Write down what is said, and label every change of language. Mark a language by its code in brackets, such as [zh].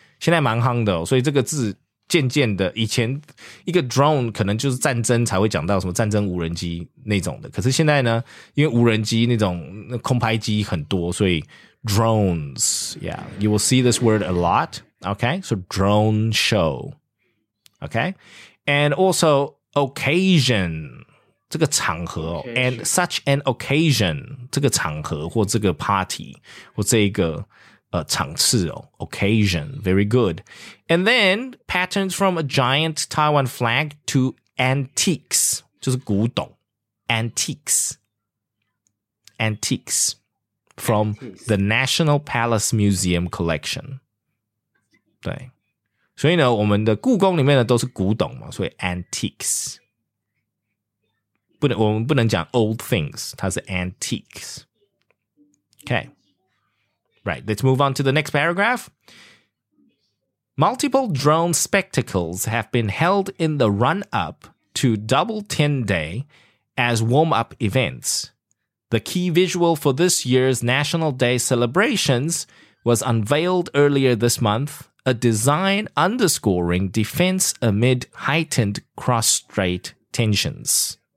[zh] 现在蛮夯的哦, 所以这个字, 渐渐的, 以前一个 drone 可能就是战争才会讲到什么战争无人机那种的, 可是现在呢, 因为无人机那种空拍机很多, 所以 drones, [en] yeah, you will see this word a lot, okay? So drone show, okay? And also occasion, [zh] 这个场合, [en] occasion. And such an occasion, [zh] 这个场合或这个 [en] party, [zh] 或这一个, 场次哦, [en] occasion, very good. And then patterns from a giant Taiwan flag to antiques, [zh] 就是古董, [en] antiques, antiques from antiques. The National Palace Museum collection. [zh] 对，所以呢，我们的故宫里面呢都是古董嘛, 所以 antiques. 不能我们不能讲 [en] old things, [zh] 它是 antiques. [en] Okay. Right, let's move on to the next paragraph. Multiple drone spectacles have been held in the run-up to Double 10 Day as warm-up events. The key visual for this year's National Day celebrations was unveiled earlier this month, a design underscoring defense amid heightened cross-strait tensions.